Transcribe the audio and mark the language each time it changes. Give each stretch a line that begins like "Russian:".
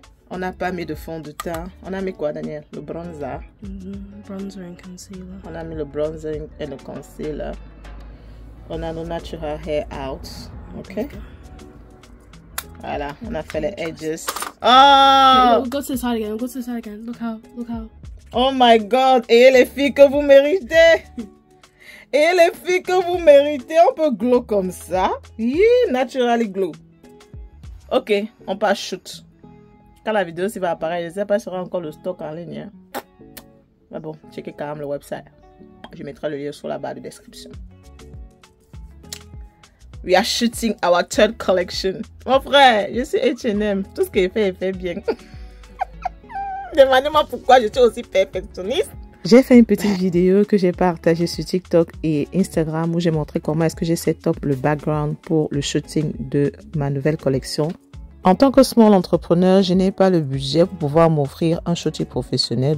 French: On n'a pas mis de fond de teint. On a mis quoi, Daniel? Le bronzer.
English: Bronzer and concealer.
French: On a mis le bronzer et le concealer. On a nos
English: natural hair out. OK?
French: Voilà, on a fait les edges. Oh!
English: Wait, we'll go to the side again. We'll go to the side again. Look how, look how. Oh my God!
French: Ayez les filles que vous méritez! Ayez les filles que vous méritez! On peut glow comme ça.
English: Yeah, naturally glow.
French: OK, on passe shoot. Quand la vidéo va apparaître, je ne sais pas si sera encore le stock en ligne. Hein. Mais bon, checkez quand même le website. Je mettrai le lien sur la barre de description.
English: We are shooting our 3rd collection.
French: Mon frère, je suis H&M. Tout ce qu'il fait, il fait bien. Demandez-moi pourquoi je suis aussi perfectionniste. J'ai fait une petite vidéo que j'ai partagée sur TikTok et Instagram où j'ai montré comment est-ce que j'ai set up le background pour le shooting de ma nouvelle collection. En tant que small entrepreneur, je n'ai pas le budget pour pouvoir m'offrir un shooting professionnel.